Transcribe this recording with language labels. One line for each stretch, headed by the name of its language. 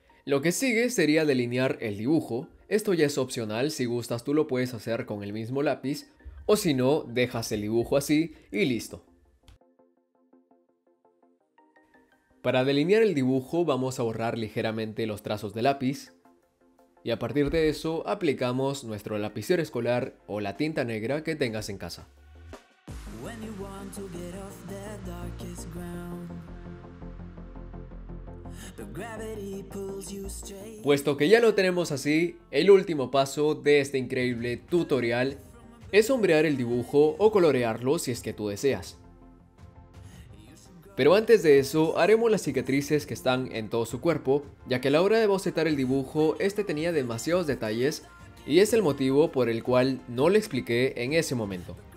Spanish: Lo que sigue sería delinear el dibujo, esto ya es opcional, si gustas tú lo puedes hacer con el mismo lápiz, o si no, dejas el dibujo así y listo. Para delinear el dibujo vamos a borrar ligeramente los trazos de lápiz. Y a partir de eso, aplicamos nuestro lapicero escolar o la tinta negra que tengas en casa.
English: When you want to get off the darkest ground, the gravity pulls you straight.
Spanish: Puesto que ya lo tenemos así, el último paso de este increíble tutorial es sombrear el dibujo o colorearlo si es que tú deseas. Pero antes de eso, haremos las cicatrices que están en todo su cuerpo, ya que a la hora de bocetar el dibujo, este tenía demasiados detalles y es el motivo por el cual no lo expliqué en ese momento.